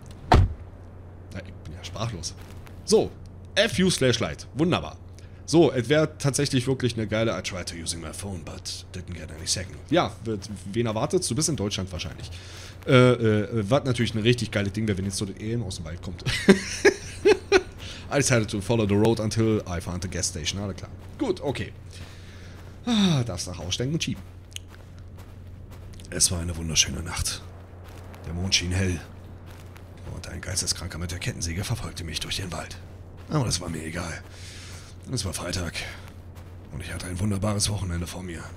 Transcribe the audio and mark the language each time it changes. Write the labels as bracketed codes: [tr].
[de] Na, ich bin ja sprachlos. So. FU/Light. Wunderbar. So, es wäre tatsächlich wirklich eine geile [en] I tried to using my phone, but didn't get any signal. [de] Ja, wen erwartet? Du bist in Deutschland wahrscheinlich. Was natürlich ein richtig geiles Ding wäre, wenn jetzt so das Alien aus dem Wald kommt. [en] I decided to follow the road until I found the gas station. [de] Alles klar. Gut, okay. Darfst nach Hause stecken und schieben. Es war eine wunderschöne Nacht. Der Mond schien hell. Und ein Geisteskranker mit der Kettensäge verfolgte mich durch den Wald. Aber das war mir egal. Es war Freitag und ich hatte ein wunderbares Wochenende vor mir.